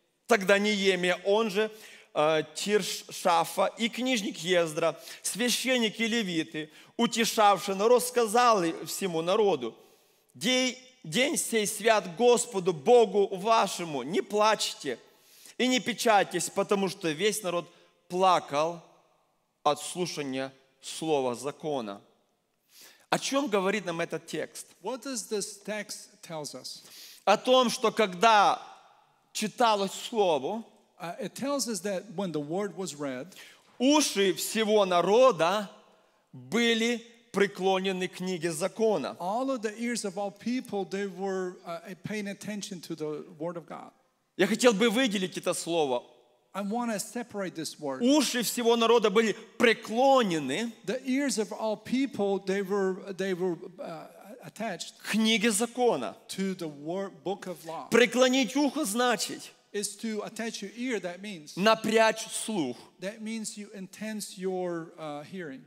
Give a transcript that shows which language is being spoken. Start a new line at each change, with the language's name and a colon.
Russian: Тогда Неемия, он же Тиршафа, и книжник Ездра, священники левиты, утешавшие народ, сказали всему народу, день сей свят Господу Богу вашему, не плачьте. И не печайтесь, потому что весь народ плакал от слушания слова закона. О чем говорит нам этот текст?
English: What does this text tells us?
Russian: О том, что когда читалось слово,
English: it tells us that when the word was read,
Russian: уши всего народа были преклонены к книге закона.
English: All of the ears of all people, they were paying attention to the word of God.
Russian: Я хотел бы выделить это слово.
English: I want to separate this word.
Russian: Уши всего народа были преклонены.
English: The ears of all people, they were attached.
Russian: К книге закона.
English: To the word, book of law.
Russian: Преклонить ухо значит.
English: Is to attach your ear. That means.
Russian: Напрячь слух.
English: That means you intense your hearing.